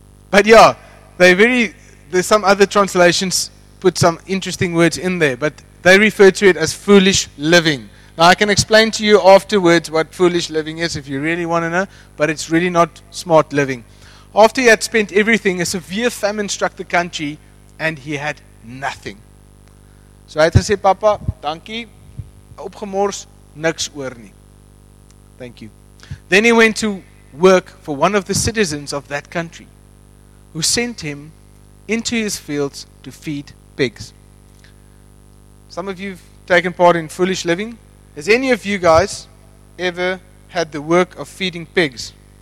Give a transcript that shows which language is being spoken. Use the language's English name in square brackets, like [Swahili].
[English] But yeah, there's some other translations put some interesting words in there, but they refer to it as foolish living. Now I can explain to you afterwards what foolish living is if you really want to know, but it's really not smart living. After he had spent everything, a severe famine struck the country and he had nothing. [Afrikaans] So hy het gesê, Papa, dankie. Opgemors. Niks oor nie. [English] Thank you. Then he went to work for one of the citizens of that country, who sent him into his fields to feed pigs. Some of you have taken part in foolish living. Has any of you guys ever had the work of feeding pigs?